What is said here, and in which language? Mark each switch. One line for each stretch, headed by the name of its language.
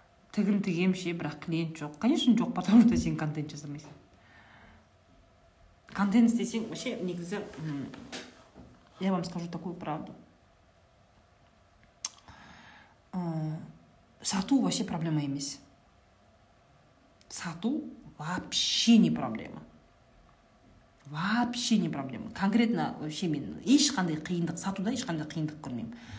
Kazakh: Тігін тігем ше, бірақ клиент жоқ.
Russian: Конечно,
Kazakh: жоқ,
Russian: потому что
Kazakh: сен контент жасамайсың. Контент істесең,
Russian: вообще,
Kazakh: негізі,
Russian: я вам скажу такую правду.
Kazakh: Сату вообще проблема емес. Сату
Russian: вообще не проблема. Вообще не проблема.
Kazakh: Конкретно, вообще, мен ешқандай қиындық, сатуда ешқандай қиындық көрмеймін.